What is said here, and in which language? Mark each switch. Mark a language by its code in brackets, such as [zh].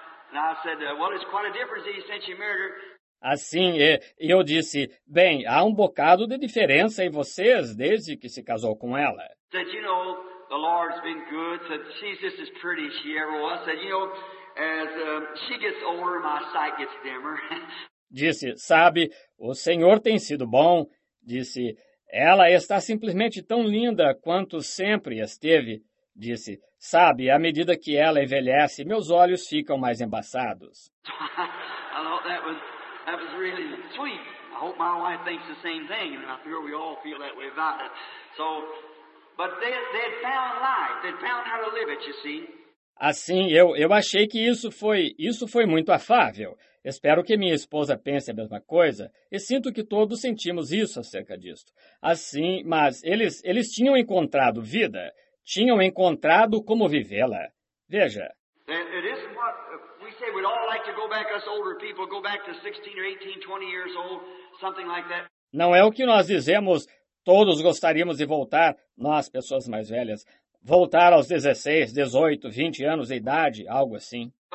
[en] So, and I said, it's quite a difference since you married her. [pt] Assim, e eu disse, bem, há um bocado de diferença em vocês desde que se casou com ela. [en] Said, you know, the Lord's been good. Said, she's just as pretty as she ever was. Said, you know, as she gets older, my sight gets dimmer. [pt] Disse, sabe, o Senhor tem sido bom. Disse, ela está simplesmente tão linda quanto sempre esteve. Disse, sabe, à medida que ela envelhece, meus olhos ficam mais embaçados. [en] I thought that was really sweet. I hope my wife thinks the same thing, and I'm sure we all feel that way about it. So. But they had found life. They found how to live it, you see. [pt] Assim, eu achei que isso foi muito afável. Espero que minha esposa pense a mesma coisa. E sinto que todos sentimos isso acerca disto. Assim, mas eles tinham encontrado vida. Tinham encontrado como vivê-la. Veja. [en] It isn't what we say we'd all like to go back, us older people, go back to 16 or 18, 20 years old, something like that. [pt] Não é o que nós dizemos. Todos gostaríamos de voltar, nós, pessoas mais velhas, voltar aos 16, 18, 20 anos de idade, algo assim.